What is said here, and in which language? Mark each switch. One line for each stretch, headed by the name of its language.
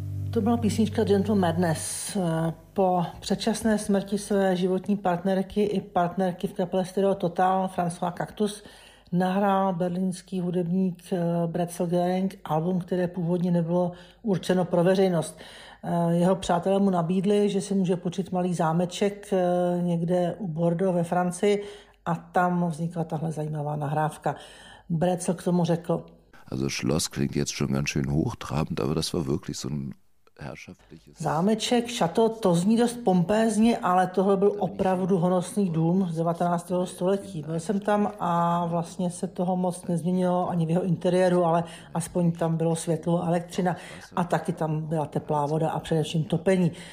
Czech: To byla písnička Gentle Madness. Po předčasné smrti své životní partnerky i partnerky v kapele Stereo Total François Cactus nahrál berlínský hudebník Bretzel Gang album, které původně nebylo určeno pro veřejnost. Jeho přátelé mu nabídli, že si může počít malý zámeček někde u Bordeaux ve Francii a tam vznikla tahle zajímavá nahrávka. Bretzel k tomu řekl.
German: Also Schloss klingt jetzt schon ganz schön hochtrabend, aber das war wirklich so ein
Czech: zámeček, šato, to zní dost pompézně, ale tohle byl opravdu honosný dům z 19. století. Byl jsem tam a vlastně se toho moc nezměnilo ani v jeho interiéru, ale aspoň tam bylo světlo, elektřina a taky tam byla teplá voda a především topení.